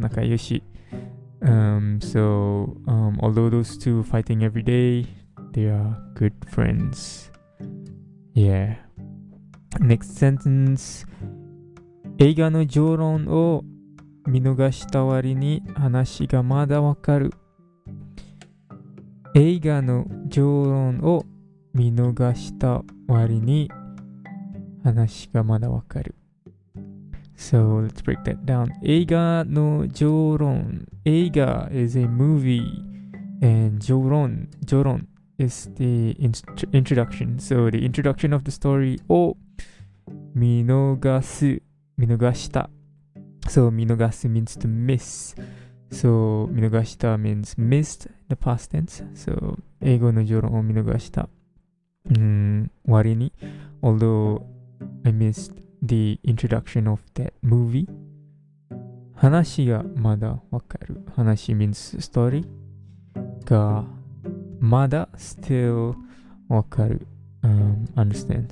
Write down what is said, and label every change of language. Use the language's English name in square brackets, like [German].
[Japanese] 仲良し [English] although those two are fighting every day, they are good friends. Yeah. Next sentence. [Japanese] 映画の常論を見逃した割に話がまだわかる。映画の常論を見逃した割に話がまだわかる。 [English] So let's break that down. [Japanese] 映画の常論。 [English] 映画 is a movie. And 常論 is the introduction. So the introduction of the story [Japanese] を見逃した。 [English] So 見逃す means to miss. So 見逃した means missed in the past tense. So [Japanese] 英語の常論を見逃した。割に。 [English] Although I missed the introduction of that movie. [Japanese] 話がまだわかる。話 [English] means story [Japanese] がまだ [English] still [Japanese] わかる。 [English] Understand.